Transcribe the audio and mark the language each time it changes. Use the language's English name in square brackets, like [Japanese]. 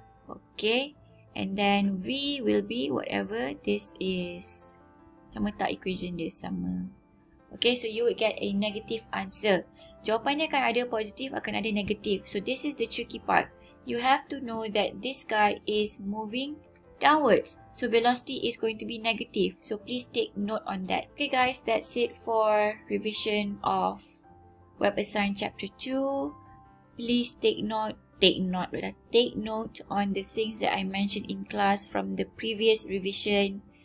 [English] Okay, and then v will be whatever this is. [Malay] Sama tak equation dia sama? [English] Okay, so you would get a negative answer. [Malay] Jawapannya akan ada positif, akan ada negatif. [English] So this is the tricky part. You have to know that this guy is moving downwards. So velocity is going to be negative. So please take note on that. Okay guys, that's it for revision of Web of Science Chapter 2. Please take note on the things that I mentioned in class from the previous revision.